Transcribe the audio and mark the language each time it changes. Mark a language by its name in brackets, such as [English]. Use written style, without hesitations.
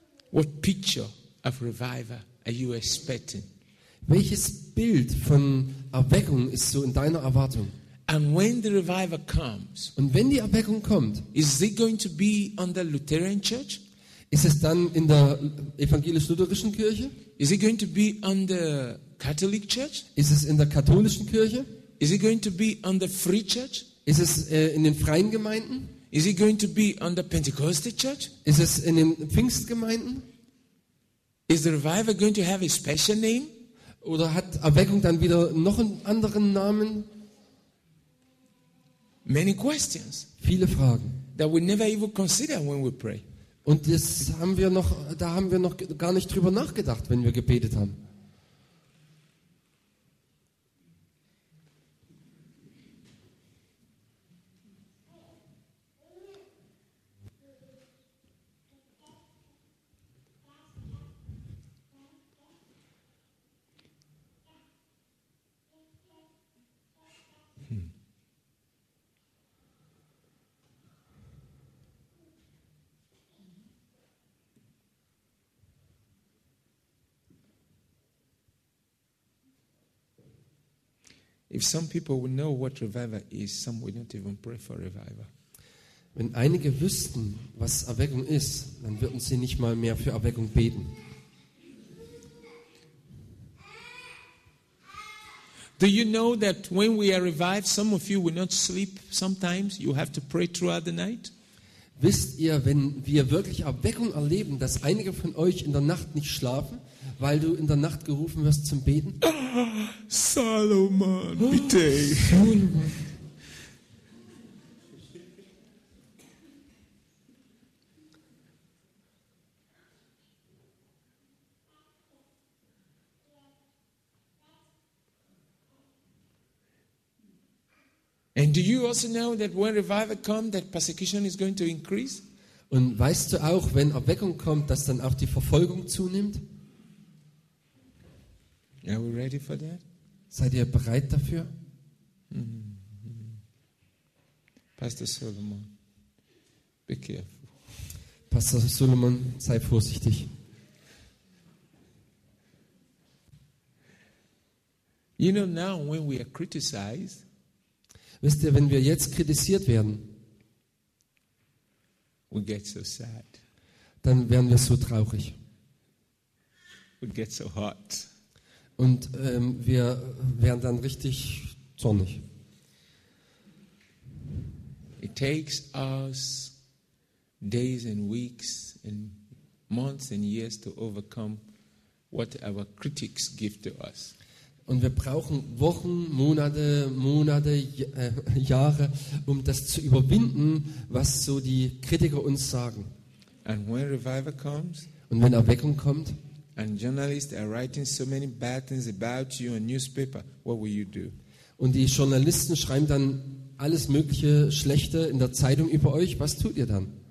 [English] What picture of revival are you expecting? [German] Welches Bild von Erweckung ist so in deiner Erwartung? [English] And when the revival comes, [German] und wenn die Erweckung kommt, [English] is it going to be on the Lutheran Church? [German] Ist es dann in der evangelisch-lutherischen Kirche? [English] Is it going to be on the Catholic Church? [German] Ist es in der katholischen Kirche? [English] Is it going to be on the free church? [German] Ist es in den freien Gemeinden? [English] Is it going to be on the Pentecostal Church? [German] Ist es in den Pfingstgemeinden? [English] Is the revival going to have a special name? [German] Oder hat Erweckung dann wieder noch einen anderen Namen? [English] Many questions. [German] Viele Fragen. [English] That we never even consider when we pray. [German] Und das haben wir noch, da haben wir noch gar nicht drüber nachgedacht, wenn wir gebetet haben. [English] If some people would know what revival is, some would not even pray for revival. [German] Wenn einige wüssten, was Erweckung ist, dann würden sie nicht mal mehr für Erweckung beten. [English] Do you know that when we are revived, some of you will not sleep sometimes? You have to pray throughout the night? [German] Wisst ihr, wenn wir wirklich Erweckung erleben, dass einige von euch in der Nacht nicht schlafen, weil du in der Nacht gerufen wirst zum Beten? Salomon, bitte. [English] And do you also know that when revival comes, that persecution is going to increase? [German] Und weißt du auch, wenn Erweckung kommt, dass dann auch die Verfolgung zunimmt? [English] Are we ready for that? [German] Seid ihr bereit dafür? Mm-hmm. [English] Pastor Solomon, be careful. [German] Pastor Solomon, sei vorsichtig. [English] You know, now when we are criticized. [German] Wisst ihr, wenn wir jetzt kritisiert werden, [English] we get so sad. [German] Dann werden wir so traurig. [English] We get so hot. [German] Und wir werden dann richtig zornig. [English] It takes us days and weeks and months and years to overcome what our critics give to us. [German] Und wir brauchen Wochen, Monate, Jahre, um das zu überwinden, was so die Kritiker uns sagen. [English] And when revival comes, [German] und wenn Erweckung kommt, [English] and journalists are writing so many bad things about you in newspaper, what will you do? [German] Und die Journalisten schreiben dann alles mögliche Schlechte in der Zeitung über euch, was tut ihr dann?